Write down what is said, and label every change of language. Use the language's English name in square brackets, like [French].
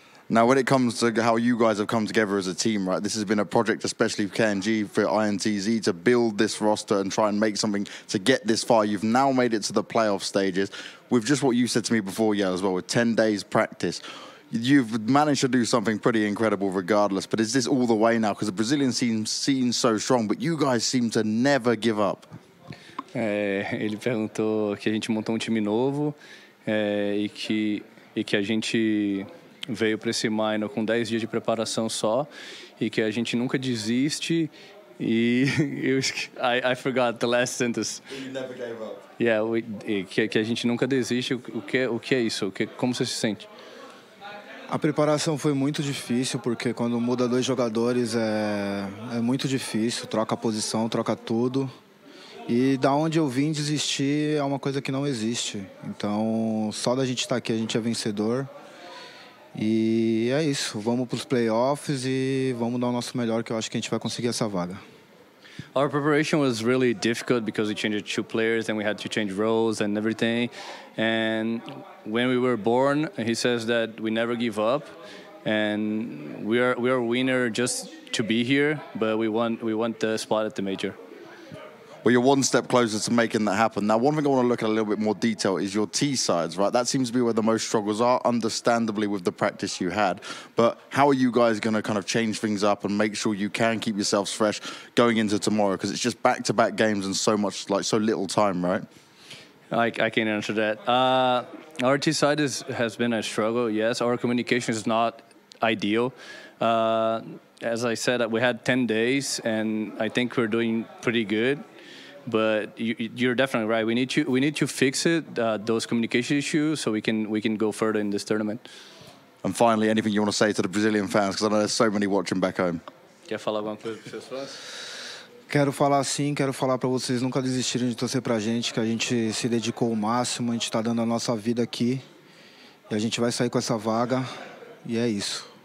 [English] Now, when it comes to how you guys have come together as a team, right? This has been a project, especially for KNG, for INTZ, to build this roster and try and make something to get this far. You've now made it to the playoff stages with just what you said to me before, yeah, as well, with 10 days practice. You've managed to do something pretty incredible regardless, but is this all the way now? Because the Brazilian seems so strong, but you guys seem to never give up. [Portuguese] Ele perguntou que a gente montou um time novo, e que a gente veio para esse minor com 10 dias de preparação só, e que a gente nunca desiste. [English] E I forgot the last sentence. You never gave up. [Portuguese] Yeah, que a gente nunca desiste. O que é isso? Como você se sente? A preparação foi muito difícil, porque quando muda dois jogadores é muito difícil, troca a posição, troca tudo. E da onde eu vim, desistir é uma coisa que não existe. Então, só da gente estar aqui, a gente é vencedor. E é isso, vamos para os playoffs e vamos dar o nosso melhor, que eu acho que a gente vai conseguir essa vaga. [English] Our preparation was really difficult because we changed two players and we had to change roles and everything. And when we were born, he says that we never give up, and we are winner just to be here, but we want the spot at the major. Well, you're one step closer to making that happen. Now, one thing I want to look at a little bit more detail is your tee sides, right? That seems to be where the most struggles are, understandably, with the practice you had. But how are you guys going to kind of change things up and make sure you can keep yourselves fresh going into tomorrow? Because it's just back-to-back games and so much, like, so little time, right? I can't answer that. Our tee side has been a struggle, yes. Our communication is not ideal. As I said, we had 10 days, and I think we're doing pretty good. But you're definitely right. We need to fix it, those communication issues, so we can go further in this tournament. And finally, anything you want to say to the Brazilian fans? Because I know there's so many watching back home. [Portuguese] Quer falar alguma coisa para os seus fãs? Quero falar sim, quero falar para vocês nunca desistirem de torcer para a gente, que a gente se dedicou o máximo, a gente está dando a nossa vida aqui, e a gente vai sair com essa vaga, e é isso.